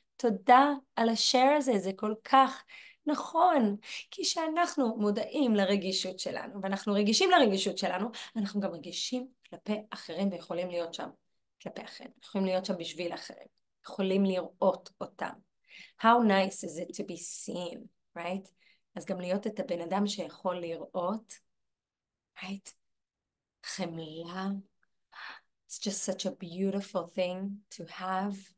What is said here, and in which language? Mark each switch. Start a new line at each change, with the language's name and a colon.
Hebrew: תודה על השאר הזה, זה כל כך... נכון, כי שאנחנו מודעים לרגישות שלנו, ואנחנו רגישים לרגישות שלנו, אנחנו גם רגישים כלפי אחרים ויכולים להיות שם כלפי אחרים, יכולים להיות שם בשביל אחרים, יכולים לראות אותם.
English: How nice is it to be seen, right?
Hebrew: אז גם להיות את הבן אדם שיכול לראות, right? חמלה.
English: It's just such a beautiful thing to have.